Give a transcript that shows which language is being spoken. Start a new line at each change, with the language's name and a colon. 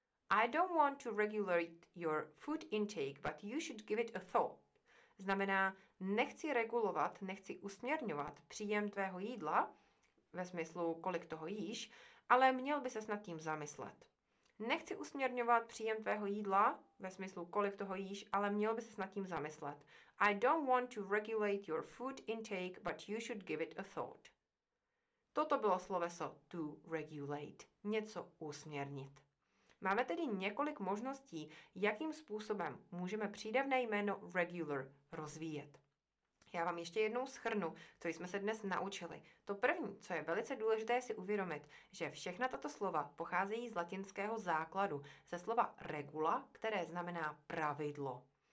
English: I don't want to regulate your food intake, but you should give it a thought.
Czech: Znamená, nechci regulovat, nechci usměrňovat příjem tvého jídla, ve smyslu, kolik toho jíš, ale měl by ses nad tím zamyslet. Nechci usměrňovat příjem tvého jídla, ve smyslu, kolik toho jíš, ale měl by ses nad tím zamyslet.
English: I don't want to regulate your food intake, but you should give it a thought.
Czech: Toto bylo sloveso to regulate, něco usměrnit. Máme tedy několik možností, jakým způsobem můžeme přídavné jméno regular rozvíjet. Já vám ještě jednou shrnu, co jsme se dnes naučili. To první, co je velice důležité si uvědomit, že všechna tato slova pocházejí z latinského základu, ze slova regula, které znamená pravidlo.